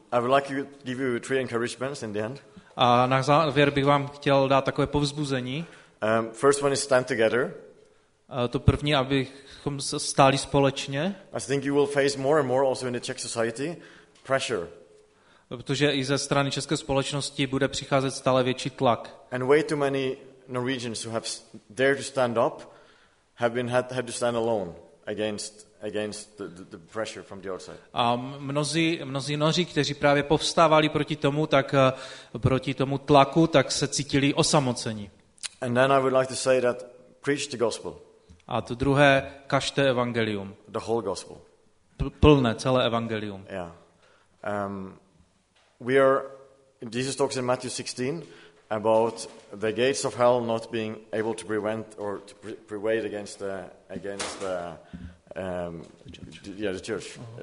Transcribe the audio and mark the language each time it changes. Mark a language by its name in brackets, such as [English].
[English] I would like to give you three encouragements in the end. [Czech] A na závěr bych vám chtěl dát takové povzbuzení. [English] First one is stand together. [Czech] To první, abychom stáli společně. [English] I think you will face more and more also in the Czech society pressure. [Czech] Protože i ze strany české společnosti bude přicházet stále větší tlak. [English] And way too many Norwegians who have dared to stand up have been had to stand alone against the pressure from the outside. [Czech] A mnozí Noři, kteří právě povstávali proti tomu, tak proti tomu tlaku, tak se cítili osamoceni. [English] And then I would like to say that preach the gospel. [Czech] A to druhé, kažte evangelium. [English] The whole gospel. [Czech] Plné celé evangelium. [English] Yeah. We are Jesus talks in Matthew 16 about the gates of hell not being able to prevent or to prevail against the church.